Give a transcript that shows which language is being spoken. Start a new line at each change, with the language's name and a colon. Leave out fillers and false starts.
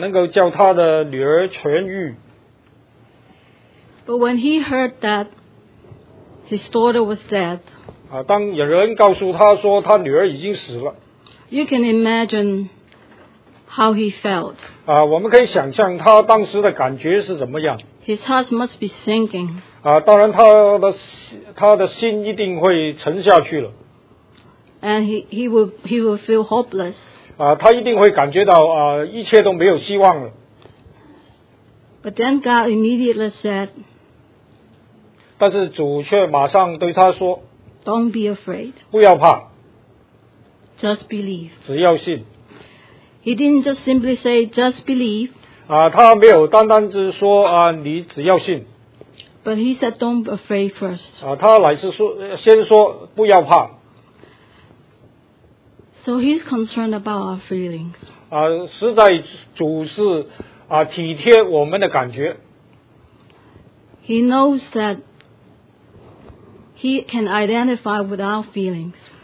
Chinese: 他是希望主能够及时赶到，能够叫他的女儿痊愈。
English: But when he heard that his daughter was dead,
Chinese: 当有人告诉他说他女儿已经死了，
English: you can imagine how he felt.
Chinese: 我们可以想象他当时的感觉是怎么样。
English: His heart must be sinking.
Chinese: 当然他的心一定会沉下去了。
English: And he will feel hopeless.
Chinese: 他一定会感觉到一切都没有希望了。
English: But then God immediately said,
Chinese: 但是主却马上对他说，
English: Don't be afraid.
Chinese: 不要怕。
English: Just believe.
Chinese: 只要信。
English: He didn't just simply say, just believe.
Chinese: 他没有单单只说你只要信。
English: But he said, don't be afraid first.
Chinese: 他乃是说先说不要怕。
English: So he's concerned about our feelings.
Chinese: 实在主是体贴我们的感觉。
English: He knows that he can identify with our feelings.